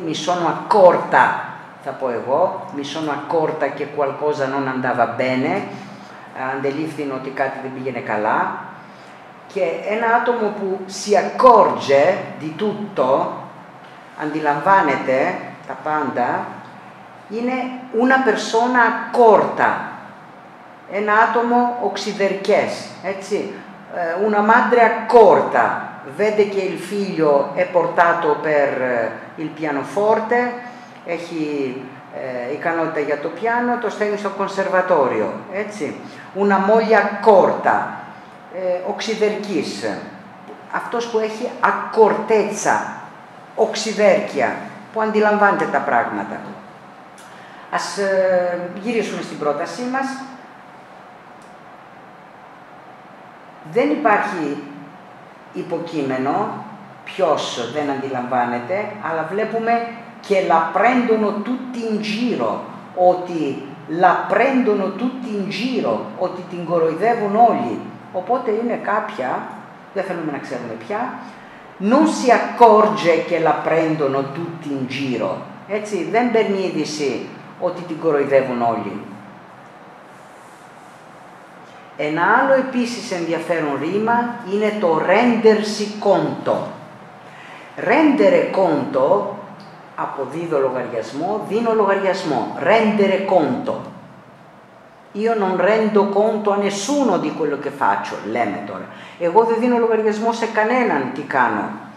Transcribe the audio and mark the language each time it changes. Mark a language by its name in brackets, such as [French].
[Italian] Mi sono accorta, [Greek] θα πω εγώ. [Italian] Mi sono accorta che qualcosa non andava bene. [Greek] Αντελήφθην ότι κάτι δεν πήγαινε καλά. Και ένα άτομο που [Italian] si accorge di tutto, [Greek] αντιλαμβάνεται τα πάντα, είναι [Italian] una persona accorta, [Greek] ένα άτομο οξυδερκές, έτσι. [Italian] Una madre accorta, vede che il figlio è portato per il pianoforte, [Greek] έχει ικανότητα για το πιάνο, το στέλνει στο κονσερβατόριο, έτσι. [Italian] Una moglie accorta, [Greek] οξυδερκής, αυτός που έχει ακορτέτσα, οξυδέρκεια, που αντιλαμβάνεται τα πράγματα. Ας γυρίσουμε στην πρότασή μας. Δεν υπάρχει υποκείμενο, ποιος δεν αντιλαμβάνεται, αλλά βλέπουμε και [Italian] la prendono tutti in giro, [Greek] ότι la prendono tutti in giro, ότι την κοροϊδεύουν όλοι. Οπότε είναι κάποια, δεν θέλουμε να ξέρουμε ποια, [Italian] non si accorge che la prendono tutti in giro. [Greek] Έτσι, δεν παίρνει είδηση ότι την κοροϊδεύουν όλοι. Ένα άλλο επίσης ενδιαφέρον ρήμα είναι το rendersi conto. Rendere conto, αποδίδω λογαριασμό, δίνω λογαριασμό. [Italian] Rendere conto. Io non rendo conto a nessuno di quello che faccio, [Greek] λέμε τώρα. Εγώ δεν δίνω λογαριασμό σε κανέναν τι κάνω.